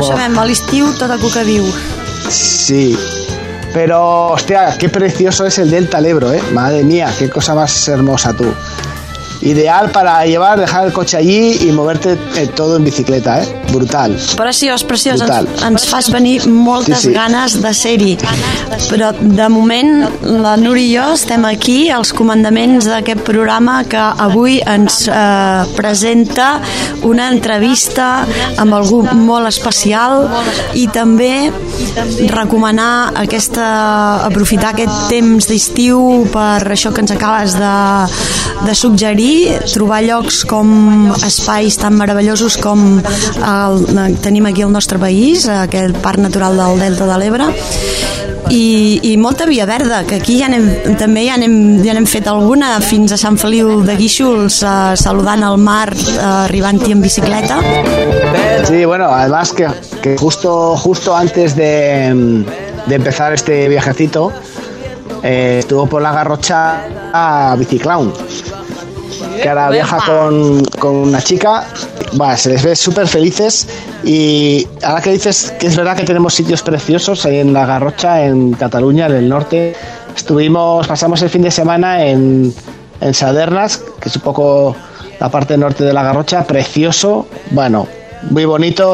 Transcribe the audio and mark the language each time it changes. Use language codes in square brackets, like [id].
[es] Ya sabemos, al estiu toda cuca viu. Sí. Pero, hostia, qué precioso es el Delta del Ebro, ¿eh? Madre mía, qué cosa más hermosa tú. Ideal para llevar, dejar el coche allí y moverte todo en bicicleta, ¿eh? Brutal. [ca] Preciós, preciós. Brutal. Ens fas venir moltes sí, sí. ganes de ser-hi. Però de moment la Nuri i jo estem aquí als comandaments d'aquest programa que avui ens presenta una entrevista amb algú molt especial i també recomanar aquesta, aprofitar aquest temps d'estiu per això que ens acabes de suggerir, trobar llocs com espais tan meravellosos com tenim aquí el nostre país, aquest parc natural del Delta de l'Ebre, i molta via verda, que aquí ja anem, també ja anem fet alguna, fins a Sant Feliu de Guíxols, saludant el mar, arribant-hi en bicicleta. [es] Sí, bueno, además que justo antes de empezar este viajecito, estuvo por la Garrotxa a Biciclown, que ahora viaja con una chica. Bueno, se les ve súper felices. Y ahora que dices que es verdad que tenemos sitios preciosos ahí en la Garrotxa, en Cataluña, en el norte, pasamos el fin de semana en Saderras, que es un poco la parte norte de la Garrotxa, precioso, bueno, muy bonito.